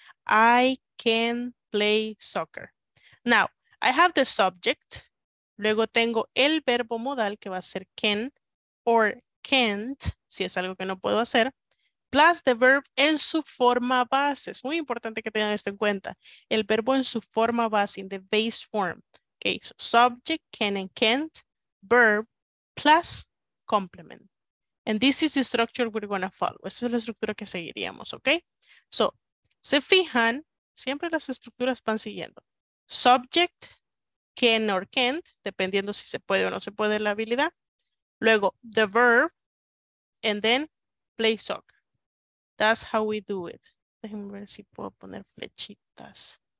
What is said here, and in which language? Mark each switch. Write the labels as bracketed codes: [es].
[en] I can play soccer. Now, I have the subject. [es] Luego tengo el verbo modal que va a ser can or can't, si es algo que no puedo hacer, [en] plus the verb [es] en su forma base. Es muy importante que tengan esto en cuenta. El verbo en su forma base, [en] in the base form. Okay, so subject, can and can't, verb, plus complement. And this is the structure we're going to follow. [es] Esa es la estructura que seguiríamos, okay? So, se fijan, siempre las estructuras van siguiendo. [en] Subject, can or can't, [es] dependiendo si se puede o no se puede la habilidad. [en] Luego, the verb, and then play soccer. That's how we do it. [es] Déjenme ver si puedo poner flechitas.